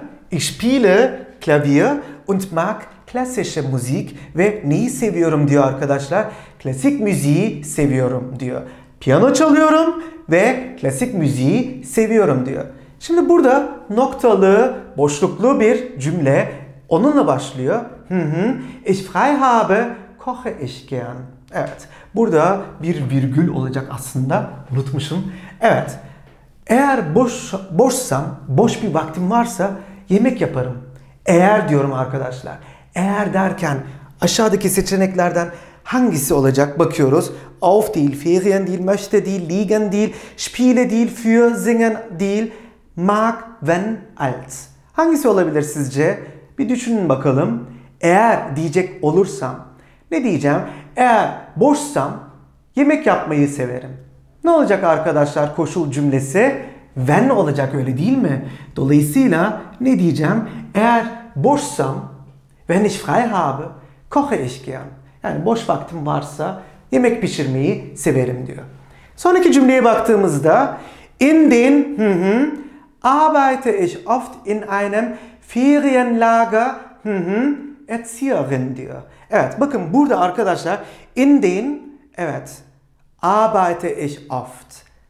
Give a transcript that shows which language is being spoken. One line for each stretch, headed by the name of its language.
German: Ich spiele Klavier und mag klassische Musik.
Turkish: Ve neyi seviyorum diyor arkadaşlar? Klasik müziği seviyorum diyor. Piyano çalıyorum ve klasik müziği seviyorum diyor. Şimdi burada noktalı, boşluklu bir cümle onunla başlıyor.
German: Ich frei habe, koche ich gern.
Turkish: Evet, burada bir virgül olacak aslında, unutmuşum. Evet, eğer boş bir vaktim varsa yemek yaparım. Eğer diyorum arkadaşlar. Eğer derken aşağıdaki seçeneklerden hangisi olacak bakıyoruz. Auf değil, Ferien değil, möchte değil, liegen değil, spiele değil, für singen değil. Mag, wenn, alt. Hangisi olabilir sizce? Bir düşünün bakalım. Eğer diyecek olursam, ne diyeceğim? Eğer boşsam yemek yapmayı severim. Ne olacak arkadaşlar koşul cümlesi? Wenn olacak, öyle değil mi? Dolayısıyla ne diyeceğim? Eğer boşsam,
German: wenn ich frei habe, koche ich gern.
Turkish: Yani boş vaktim varsa yemek pişirmeyi severim diyor. Sonraki cümleye baktığımızda
German: in den arbeite ich oft in einem Ferienlager Erzieherin
Turkish: diyor. Evet, bakın burada arkadaşlar in den, evet,
German: arbeite ich oft.